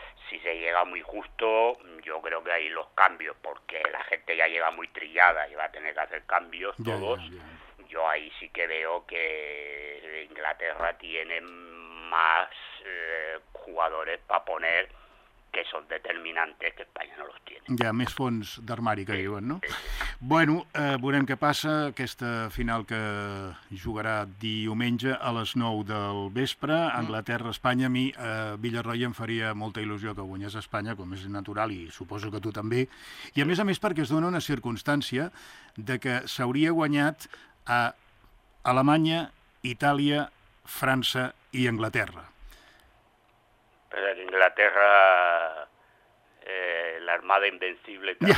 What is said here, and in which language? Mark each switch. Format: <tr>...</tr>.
<es>Si se llega muy justo, yo creo que hay los cambios, porque la gente ya llega muy trillada y va a tener que hacer cambios todos. Yo ahí sí que veo que Inglaterra tiene más jugadores para poner que son determinantes, que España no los tiene.</es> <ca>Ja, més fons d'armari, que diuen, no? Bueno, veurem què passa. Aquesta final que jugarà diumenge a les 9 del vespre, Anglaterra-Espanya, a mi, Villarroi, em faria molta il·lusió que guanyés Espanya, com és natural, i suposo que tu també. I a més perquè es dona una circumstància de que s'hauria guanyat a Alemanya, Itàlia, França i Anglaterra.</ca> <es>Pero en Inglaterra, la Armada Invencible...</es>